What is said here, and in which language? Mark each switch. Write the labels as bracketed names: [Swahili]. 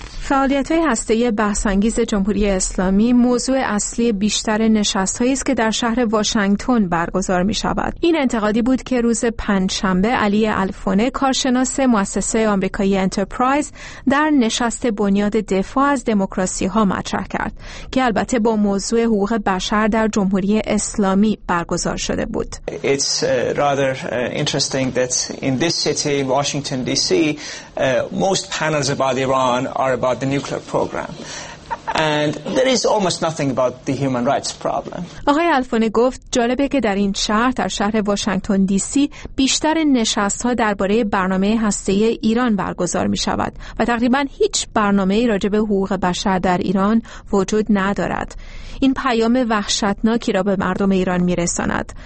[Persian] فعالیت‌های هسته‌ای بحث‌انگیز جمهوری اسلامی موضوع اصلی بیشتر نشست‌هایی است که در شهر واشنگتن برگزار می‌شود. این انتقادی بود که روز پنجشنبه علی الفونه، کارشناس مؤسسه آمریکایی انترپرایز، در نشست بنیاد دفاع از دموکراسی‌ها مطرح کرد که البته با موضوع حقوق بشر در جمهوری اسلامی برگزار شده بود. [English] It's rather interesting that in this city, Washington DC, most panels about Iran are about the nuclear program. And there is almost nothing about the human rights problem. [Persian] آقای الفونه گفت جالبه که در این شهر، در شهر واشنگتن دی سی، بیشتر نشست‌ها درباره برنامه هسته‌ای ایران برگزار می‌شود و تقریباً هیچ برنامه‌ای راجع به حقوق بشر در ایران وجود ندارد. این پیام وحشتناکی را به مردم ایران می‌رساند.